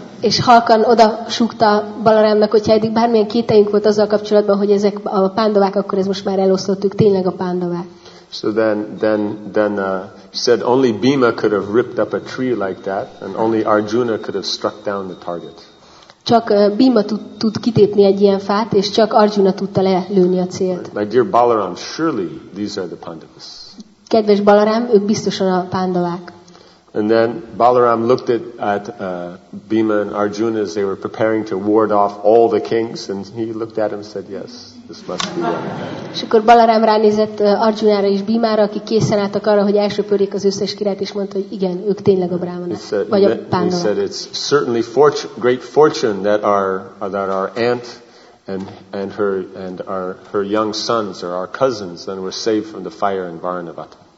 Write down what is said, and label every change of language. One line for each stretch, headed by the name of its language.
Hungarian: És halkan oda súgta Balarámnak, hogyha eddig bármilyen kételjünk volt azzal kapcsolatban, hogy ezek a pándavák, akkor ez most már eloszlottuk, tényleg a pándavák.
English: So then he said only Bhima could have ripped up a tree like that, and only Arjuna could have struck down the target.
Hungarian: Csak Bhima tud kitépni egy ilyen fát, és csak Arjuna tudta lelőni a célt.
English: My dear Balaram, surely these are the Pandavas.
Hungarian: Kedves Balaram, ők biztosan a pándavák.
English: And then Balaram looked at Bhima and Arjuna as they were preparing to ward off all the kings, and he looked at him and said, "Yes, this must be them."
Hungarian: És akkor Balaram ránézett Arjunára és Bhimára, akik készen álltak arra, hogy elsöpörjék az összes királyt, és mondta, hogy igen, ők tényleg a brámanák, vagy a pándavák.
English: He said, "It's certainly great fortune that our aunt and her young sons or our cousins then were saved from the fire in Varnavata.